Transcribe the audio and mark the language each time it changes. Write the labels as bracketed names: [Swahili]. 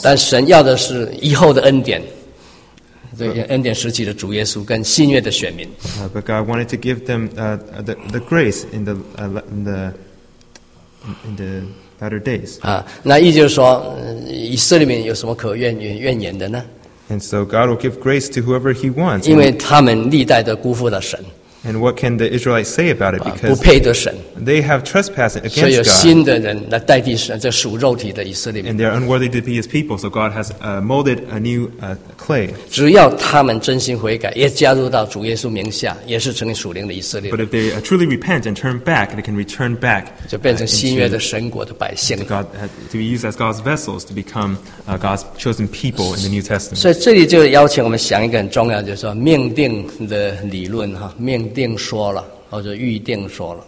[Chinese] 但神要的是以后的恩典。这个恩典时期的主耶稣跟新约的选民。 [English] But God wanted to give them the grace in the latter days. [Chinese] 啊，那意思就是说，以色列民有什么可怨言的呢 [English] ？And so God will give grace to whoever He wants. [Chinese] 因为他们历代都辜负了神。 [English] And what can the Israelites say about it? Because [Chinese] 不配得神, [English] they have trespassed against God. [Chinese] 所以有新的人来代替神, 这属肉体的以色列民, [English] and they're unworthy to be his people, so God has molded a new clay. [Chinese] 只要他们真心悔改, 也加入到主耶稣名下, 也是成为属灵的以色列民, [English] but if they truly repent and turn back, they can return back to be used as God's vessels to become God's chosen people in the New Testament. [Chinese] 所以这里就邀请我们想一个很重要的, 就是说命定的理论, 命定说了，或者预定说了。